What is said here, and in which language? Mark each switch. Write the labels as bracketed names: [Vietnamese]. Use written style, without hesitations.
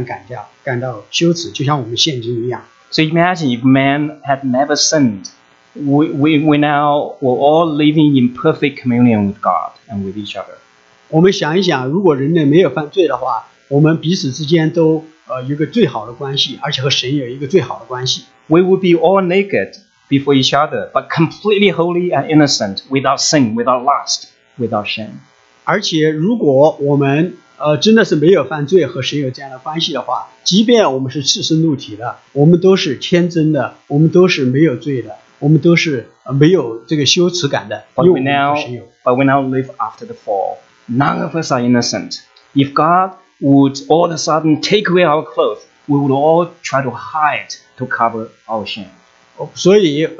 [Chinese] 所以我们可以看见，他们在当初有这样的智力，他们从理智上，从知识上，他们知道显然是知道自己赤身露体的，但是他们根本就不觉得羞耻。所以在吃了这一个分别善恶树上的果子之后，他们才忽然感到羞耻，就像我们现今一样。 [English] So imagine if man had never sinned, we now were all living in perfect communion with God and with each other. [Chinese] 我们想一想，如果人类没有犯罪的话，我们彼此之间都有一个最好的关系，而且和神有一个最好的关系。 [English] We would be all naked before each other, but completely holy and innocent, without sin, without lust, without shame. [Chinese] 而且如果我们 真的是没有犯罪和神有这样的关系的话，即便我们是赤身露体的，我们都是天真的，我们都是没有罪的，我们都是没有这个羞耻感的。 [English] But we now live after the fall. None of us are innocent. If God would all of a sudden take away our clothes, we would all try to hide to cover our shame.